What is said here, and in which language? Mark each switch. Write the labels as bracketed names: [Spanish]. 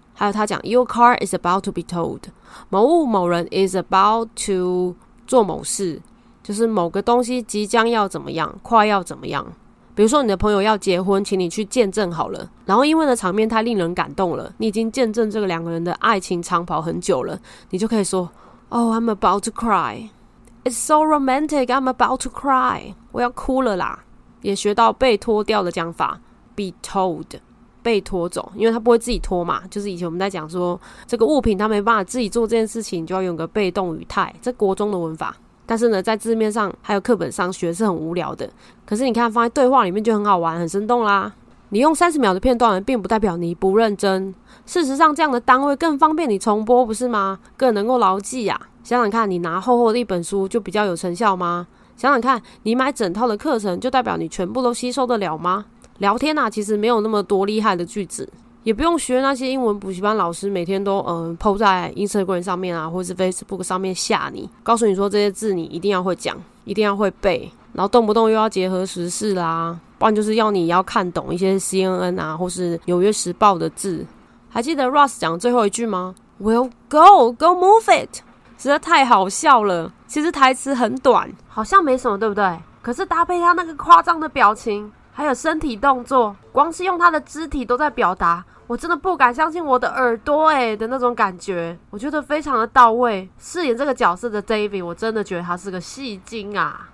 [Chinese] 还有他讲 [English] Your car is about to be towed, [Chinese] 某物某人 is about to 做某事，就是某个东西即将要怎么样，快要怎么样。比如说你的朋友要结婚，请你去见证好了，然后因为的场面太令人感动了，你已经见证这个两个人的爱情长跑很久了，你就可以说 [English] Oh, I'm about to cry. It's so romantic, I'm about to cry. [Chinese] 我要哭了啦。也学到被拖掉的讲法 Be towed,被拖走，因为他不会自己拖嘛，就是以前我们在讲说这个物品他没办法自己做这件事情，就要用个被动语态，这国中的文法。但是呢在字面上还有课本上学是很无聊的，可是你看放在对话里面就很好玩，很生动啦。你用30秒的片段并不代表你不认真，事实上这样的单位更方便你重播，不是吗？更能够牢记啊。想想看，你拿厚厚的一本书就比较有成效吗？想想看，你买整套的课程就代表你全部都吸收得了吗？聊天啊，其实没有那么多厉害的句子，也不用学那些英文补习班老师每天都PO 在 Instagram 上面啊，或是 Facebook 上面吓你，告诉你说这些字你一定要会讲，一定要会背，然后动不动又要结合时事啦，不然就是要你要看懂一些 CNN 啊或是纽约时报的字。还记得 Russ 讲最后一句吗？ [English] Well, go move it, [Chinese] 实在太好笑了。其实台词很短，好像没什么，对不对？可是搭配他那个夸张的表情还有身体动作，光是用他的肢体都在表达，我真的不敢相信我的耳朵欸的那种感觉，我觉得非常的到位。饰演这个角色的 David, 我真的觉得他是个戏精啊。